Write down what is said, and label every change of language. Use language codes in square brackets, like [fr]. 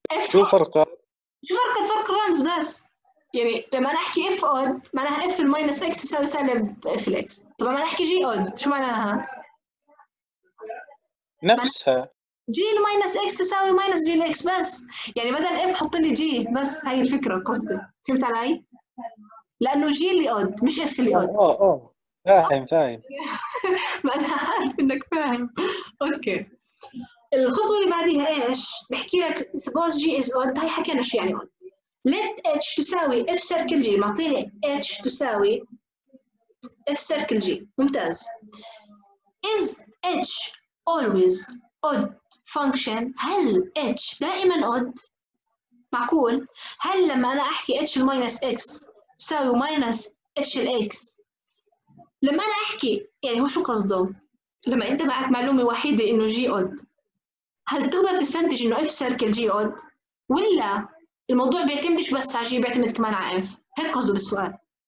[ar] شو فرقة؟ شو فرقة؟ فرق الرمز بس. يعني لما أنا أحكي [en] f odd [ar] معناها [en] f minus x [ar] يساوي سالب f x. طب لما أنا أحكي g odd شو معناها؟ نفسها. [en] g minus x [ar] تساوي [en] minus g x بس. [ar] يعني بدل f حط لي [en] g [ar] بس، هاي الفكرة قصدي. فهمت علي؟ لأنه g اللي odd مش f اللي odd. فاهم فاهم. ما أنا عارف إنك فاهم. أوكي. الخطوة اللي بعديها إيش؟ بحكي لك [en] suppose g is odd، [ar] هاي حكينا شو يعني odd. [en] let h [ar] تساوي [en] f circle g، [ar] معطيني h تساوي f circle g. ممتاز. [en] is h always odd function؟ [ar] هل h دائما odd؟ معقول؟ هل لما أنا أحكي [en] h minus x [ar] تساوي [en] minus h x، [ar] لما أنا أحكي يعني هو شو قصده؟ لما أنت معك معلومة وحيدة إنه g odd، هل تقدر تستنتج إنه f circle g odd؟ ولا الموضوع بيعتمدش بس على g، بيعتمد كمان على f؟ هيك قصده بالسؤال.